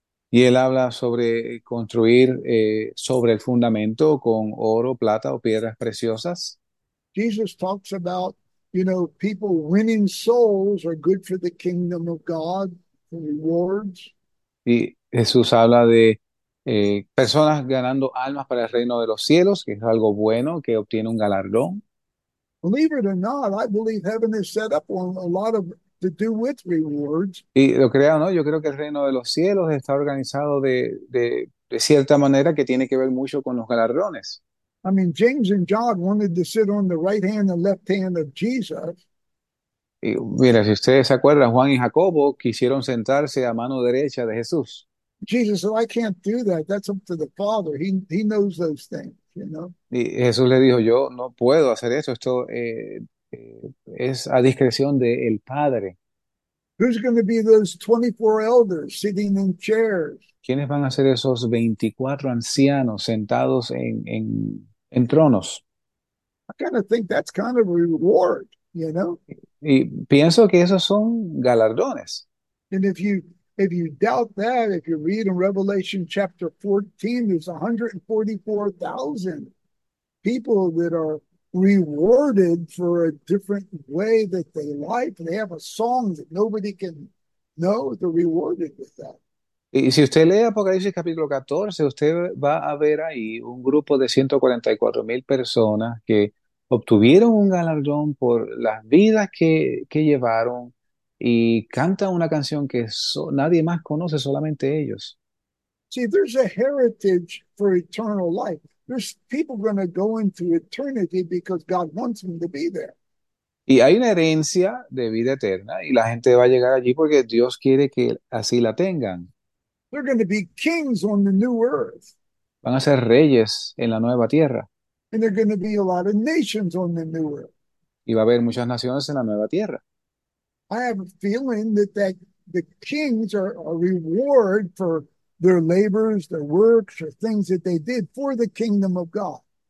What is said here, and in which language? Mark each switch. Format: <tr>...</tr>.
<es>Y él habla sobre construir sobre el fundamento con oro, plata o piedras preciosas.</es> <en>Jesus talks about, people winning souls are good for the kingdom of God, the rewards.</en> <es>Y Jesús habla de personas ganando almas para el reino de los cielos, que es algo bueno, que obtiene un galardón.</es> <en>Believe it or not, I believe heaven is set up on a lot of to do with rewards.</en> <es>Y lo crea o no, yo creo que el reino de los cielos está organizado de cierta manera que tiene que ver mucho con los galardones.</es> <en>I mean, James and John wanted to sit on the right hand and left hand of Jesus.</en> <es>Y mira, si ustedes se acuerdan, Juan y Jacobo quisieron sentarse a mano derecha de Jesús.</es> <en>Jesus said, I can't do that. That's up to the Father. He knows those things,</en> <es>Y Jesús le dijo, yo no puedo hacer eso, esto es a discreción del Padre.</es> <en>Who's going to be those 24 elders sitting in chairs?</en> <es>¿Quiénes van a ser esos 24 ancianos sentados en tronos?</es> <en>Kind of think that's kind of a reward,</en> <es>Y pienso que esos son galardones.</es> <en>And if you If you doubt that, if you read in Revelation chapter 14, there's 144,000 people that are rewarded for a different way that they like. They have a song that nobody can know. They're rewarded with that.</en> <es>Y si usted lee Apocalipsis capítulo 14, usted va a ver ahí un grupo de 144 mil personas que obtuvieron un galardón por las vidas que llevaron y cantan una canción que nadie más conoce, solamente ellos.</es> <en>See, there's a heritage for eternal life. There's people going to go into eternity because God wants them to be there.</en> <es>Y hay una herencia de vida eterna y la gente va a llegar allí porque Dios quiere que así la tengan.</es> <en>They're going to be kings on the new earth.</en> <es>Van a ser reyes en la nueva tierra.</es> <en>And there are going to be a lot of nations on the new earth.</en> <es>Y va a haber muchas naciones en la nueva tierra.</es> <en>I have a feeling that the kings are a reward for their labors, their works, or things that they did for the kingdom of God.</en>